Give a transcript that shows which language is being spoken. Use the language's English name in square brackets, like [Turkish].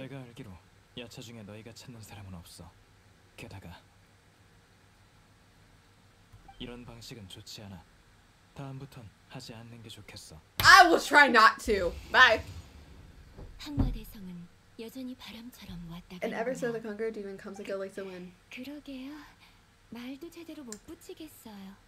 [Korean] 내가 알기로 야차 중에 너희가 찾는 사람은 없어. 게다가 이런 방식은 좋지 않아. 다음부턴 하지 않는 게 좋겠어. [English] I will try not to. Bye. [Korean] 항마대성은 여전히 바람처럼 왔다. [English] And ever so the conquered demon comes to go like the wind. [Korean] 그러게요. 말도 제대로 못 붙이겠어요.